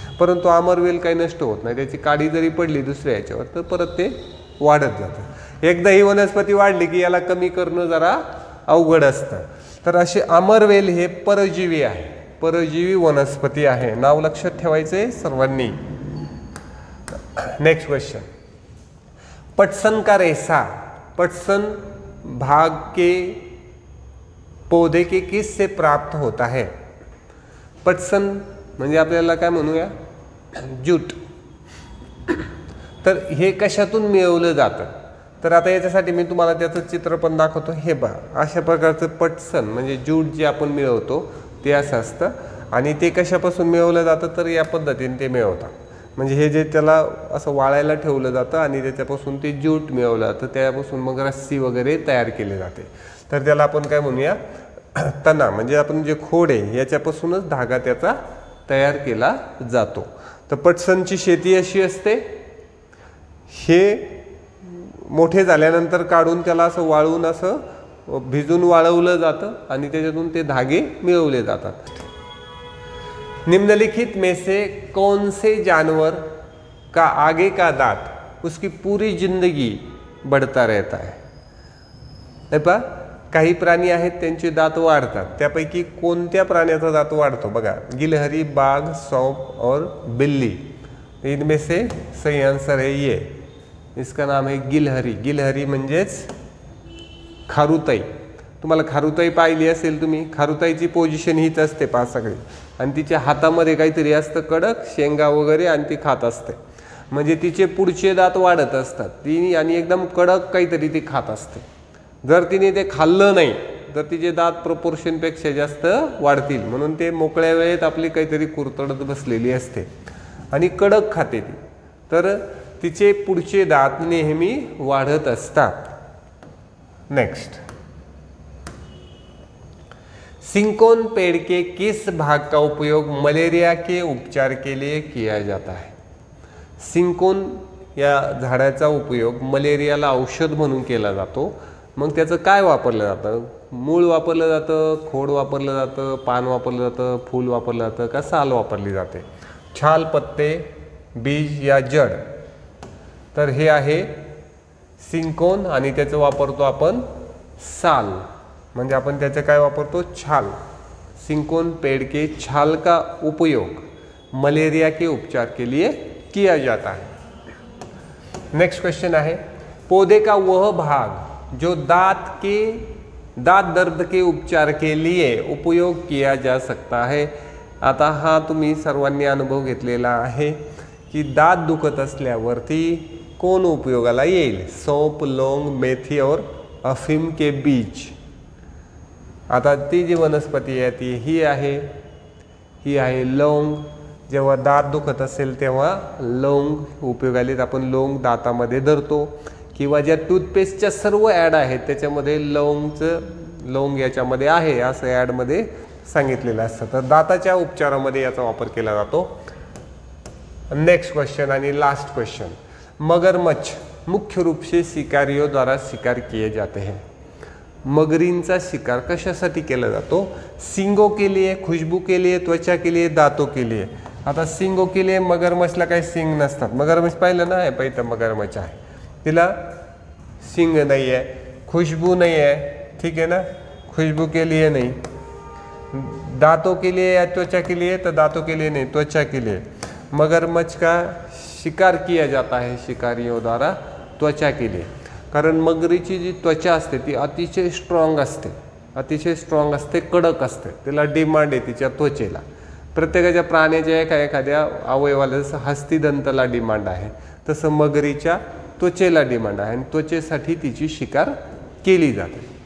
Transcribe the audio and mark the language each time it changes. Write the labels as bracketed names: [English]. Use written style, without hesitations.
[Marathi] परंतु अमरवेल काही नष्ट होत नाही, त्याची काडी जरी पडली दुसऱ्या याच्यावर तर परत ते वाढत जातं. एकदा ही वनस्पती वाढली की याला कमी करणं जरा अवघड असतं. तर असे अमरवेल हे परजीवी आहे, परजीवी वनस्पती आहे, नाव लक्षात ठेवायचंय सर्वांनी. [Hindi] नेक्स्ट क्वेश्चन, पटसन का रेसा पटसन भाग के पौधे के किस से प्राप्त होता है? [Marathi] पटसन म्हणजे आपल्याला काय म्हणूया, जूट. तर हे कशातून मिळवलं जातं? तर आता याच्यासाठी मी तुम्हाला त्याचं चित्र पण दाखवतो. हे बघा, अशा प्रकारचं पटसन म्हणजे जूट जे आपण मिळवतो ते असं असतं. आणि ते कशापासून मिळवलं जातं? तर या पद्धतीने ते मिळवतात. म्हणजे हे जे त्याला असं वाळायला ठेवलं जातं आणि त्याच्यापासून ते जूट मिळवलं जातं, त्यापासून मग रस्सी वगैरे तयार केली जाते. तर त्याला आपण काय म्हणूया, तणा, म्हणजे आपण जे खोड आहे याच्यापासूनच धागा त्याचा तयार केला जातो. तर पटसनची शेती अशी असते, हे मोठे झाल्यानंतर काढून त्याला असं वाळून असं भिजून वाळवलं जातं आणि त्याच्यातून ते धागे मिळवले जातात. [Hindi] निम्नलिखित में से कौन से जानवर का आगे का दांत उसकी पूरी जिंदगी बढ़ता रहता है? [Marathi] बघा, काही प्राणी आहेत त्यांचे दात वाढतात, त्यापैकी कोणत्या प्राण्याचा दात वाढतो? [Hindi] बघा, गिलहरी, बाघ, सौंप और बिल्ली, इनमें से सही आंसर है ये. इसका नाम है गिलहरी. [Marathi] गिलहरी म्हणजेच खारुताई. तुम्हाला खारुताई पाहिली असेल तुम्ही. खारुताईची पोझिशन हीच असते पासाकडे, आणि तिच्या हातामध्ये काहीतरी असतं कडक, शेंगा वगैरे, आणि ती खात असते. म्हणजे तिचे पुढचे दात वाढत असतात ती, आणि एकदम कडक काहीतरी ती खात असते. जर तिने ते खाल्लं नाही तर तिचे दात प्रपोर्शनपेक्षा जास्त वाढतील, म्हणून ते मोकळ्या वेळेत आपली काहीतरी कुरतडत बसलेली असते आणि कडक खाते ती. तर तिचे पुढचे दात नेहमी वाढत असतात. [Hindi] नेक्स्ट, सिंकोन पेड़ के किस भाग का उपयोग मलेरिया के उपचार के लिए किया जाता है? [Marathi] सिंकोन या झाडाचा उपयोग मलेरियाला औषध म्हणून केला जातो. मग त्याचं काय वापरलं जातं? मूळ वापरलं जातं, खोड वापरलं जातं, पान वापरलं जातं, फूल वापरलं जातं का साल वापरली जाते? [Hindi] छाल, पत्ते, बीज या जड? [Marathi] तर हे आहे सिंकोन, आणि त्याचं वापरतो आपण साल, म्हणजे आपण त्याचं काय वापरतो? [Hindi] छाल. सिंकोन पेड के छाल का उपयोग मलेरिया के उपचार के लिए किया जाता है. नेक्स्ट क्वेश्चन आहे, पौधे का वह भाग जो दांत के दांत दर्द के उपचार के लिए उपयोग किया जा सकता है. [Marathi] आता हा तुम्ही सर्वांनी अनुभव घेतलेला आहे की दांत दुखत असल्यावरती कोण उपयोगाला येईल? [Hindi] सौंप, लौंग, मेथी और अफीम के बीज. [Marathi] आता ती जी वनस्पती आहे ती ही आहे, ही आहे लौंग. जेव्हा दात दुखत असेल तेव्हा लौंग उपयोगाला येत. आपण लौंग दातामध्ये धरतो, किंवा ज्या टूथपेस्टच्या सर्व ॲड आहेत त्याच्यामध्ये लौंगचं, लौंग याच्यामध्ये आहे असं ॲडमध्ये सांगितलेलं असतं. तर दाताच्या उपचारामध्ये याचा वापर केला जातो. नेक्स्ट क्वेश्चन आणि लास्ट क्वेश्चन, [Hindi] मगरमच्छ मुख्य रूपशी शिकारीद्वारा शिकार किए जाते हैं. [Marathi] मगरींचा शिकार कशासाठी केला जातो? [Hindi] सिंगो के लिए, खुशबू के लिए, त्वचा के लिए, दातो के लिए. [Marathi] आता [Hindi] सिंगो के लिए, [Marathi] मगरमच्छला काही सिंग नसतात. मगरमच्छ पाहिलं ना, पहि तर मगरमच्छ आहे, तिला सिंग नाही आहे, खुशबू नाही आहे, ठीक आहे ना, [Hindi] खुशबू के लिए [Marathi] नाही. [Hindi] दातो के लिए या त्वचा के लिए? तर दातो के लिए [Marathi] नाही, [Hindi] त्वचा के लिए. मगरमच्छ का शिकार किया जाता है शिकारियों द्वारा त्वचा के लिए, [Marathi] कारण मगरीची जी त्वचा असते ती अतिशय स्ट्रॉंग असते, अतिशय स्ट्रॉंग असते, कडक असते, तिला डिमांड आहे तिच्या त्वचेला. प्रत्येकाच्या प्राण्याच्या एका एखाद्या अवयवाला जसं हस्तिदंताला डिमांड आहे, तसं मगरीच्या त्वचेला डिमांड आहे, आणि त्वचेसाठी तिची शिकार केली जाते.